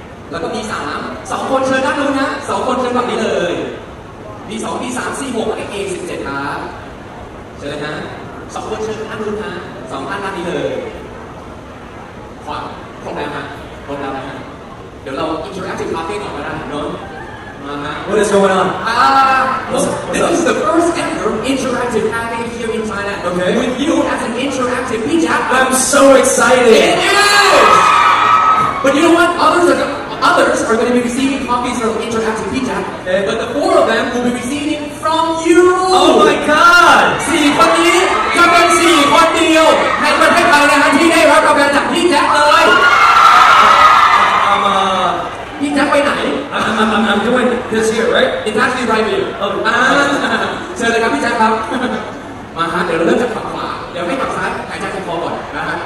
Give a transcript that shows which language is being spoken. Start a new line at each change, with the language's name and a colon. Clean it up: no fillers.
Thai: แล้วก็ B3 2คนเชิญด้านนู้นนะ2คนเชิญฝั่งนี้เลย B2 B3 C6 และ A17 ครับเชิญนะสองคนเชิญท่านรุ่นฮะสองท่านท่านนี้เลยขวางครบแล้วฮะครบแล้วนะฮะเดี๋ยวเราอินโทรแอคทีฟคาเฟ่ก่อนก็ได้เนาะมาฮะ
English: What is going on This is the first ever interactive cafe here in Thailand Okay with you as an interactive pizza I'm so excited It is But you know what others are going to be receiving coffees from interactive pizza But the four of them will be receiving from you Oh my God
Thai: สี่คนนี้จะเป็น4คนเดียวในประเทศไทยนะฮะที่ได้รับรางวัลจากพี่แจ็คเลยพี่แจ็คไปไหน
English: I'm doing this here right it's actually right here oh
Thai: เชิญเลยครับพี่แจ็คครับมาฮะเดี๋ยวเราเริ่มจากขวาเดี๋ยวไม่ขวาซ้ายหายใจคอก่อนนะฮะ